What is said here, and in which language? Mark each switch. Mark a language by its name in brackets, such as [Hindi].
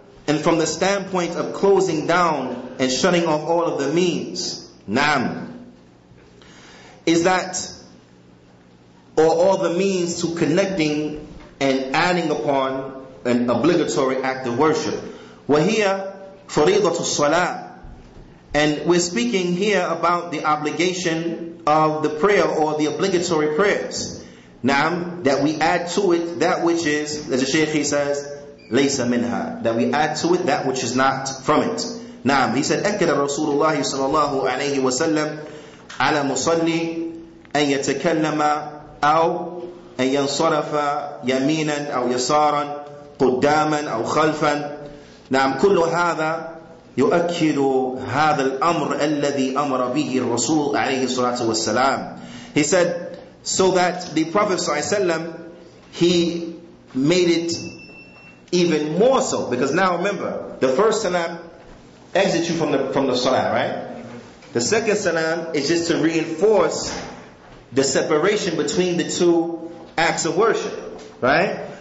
[English] And from the standpoint of closing down and shutting off all of the means, نعم, is that, or all the means to connecting and adding upon an obligatory act of worship. [Arabic] وَهِيَ فَرِيضَةُ الصَّلَاةِ. [English] And we're speaking here about the obligation of the prayer or the obligatory prayers. Naam, that we add to it that which is, as the Shaykh he says, [Arabic] laysa minha, [English] that we add to it that which is not from it. [Arabic] Naam, [English] he said, [Arabic] أكد رسول الله صلى الله عليه وسلم على مصلي أن يتكلم أو أن ينصرف يمينا أو يسارا قداما أو خلفا. Naam, كل هذا يؤكد هذا الأمر الذي أمر به الرسول عليه الصلاة والسلام. [English] He said, so that the Prophet ﷺ, he made it even more so. Because now remember, the first salam exits you from the salah, right? The second salam is just to reinforce the separation between the two acts of worship, right?